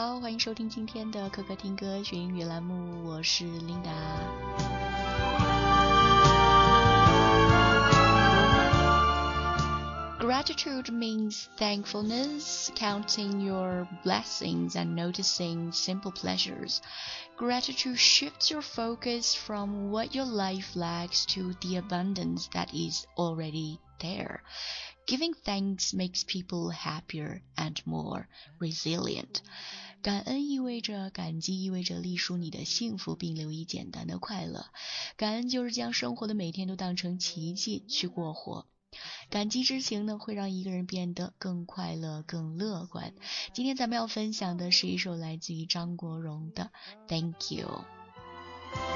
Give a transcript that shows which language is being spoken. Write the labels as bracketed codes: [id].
[zh] 迎收听今天的可可听歌学英语栏目，我是 Linda。 [en] Gratitude means thankfulness, counting your blessings and noticing simple pleasures. Gratitude shifts your focus from what your life lacks to the abundance that is already there. Giving thanks makes people happier and more resilient. [zh] 感恩意味着感激，意味着隶属你的幸福并留意简单的快乐。感恩就是将生活的每天都当成奇迹去过活。感激之情呢，会让一个人变得更快乐更乐观。今天咱们要分享的是一首来自于张国荣的 Thank You。